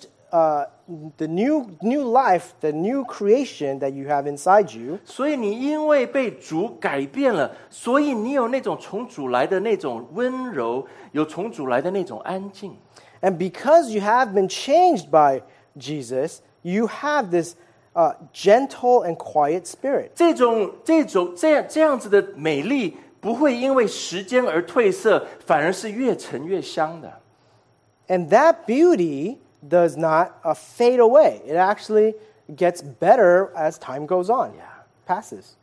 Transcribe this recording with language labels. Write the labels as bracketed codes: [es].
[en] the new life, the new creation that you have inside you. [zh] 所以你因为被主改变了，所以你有那种从主来的那种温柔，有从主来的那种安静。 [en] And because you have been changed by Jesus, you have this gentle and quiet spirit. [zh] 这样子的美丽不会因为时间而褪色，反而是越陈越香的。 [en] And that beauty does not fade away. It actually gets better as time goes on. Yeah. Passes.